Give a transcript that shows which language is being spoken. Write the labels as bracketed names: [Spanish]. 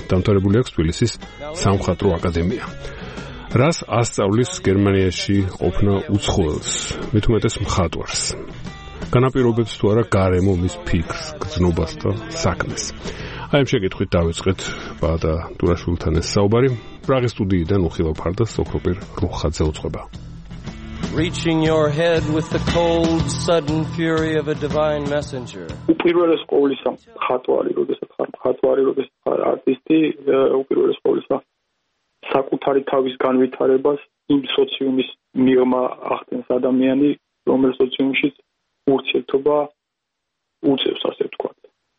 [Georgian] დამთავრებული აქვს თბილისის სამხატვრო აკადემია. რას ასწავლის გერმანიაში ყოფნა უცხოელს, მეთუმეტეს მხატვარს? განაპირობებს თუ არა გარემო მის ფიქრს, გრძნობას და საქმეს? აი ამ შეკითხვით დავიწყეთ პაატა ტურაშვილთან ეს საუბარი. პრაღის სტუდიიდან უხილავ ფარდას ოქროპირ რუხაძე უძღვება. [English] Reaching your head with the cold sudden fury of a divine messenger. [Georgian] უპირველეს ყოვლისა მხატვარი, როდესაც ხარ მხატვარი, როდესაც ხარ არტისტი, უპირველეს ყოვლისა საკუთარი თავის განვითარებას იმ სოციუმის მიღმა ახდენს ადამიანი, რომელ სოციუმში ურთიერთობა უწევს, ასე ვთქვათ.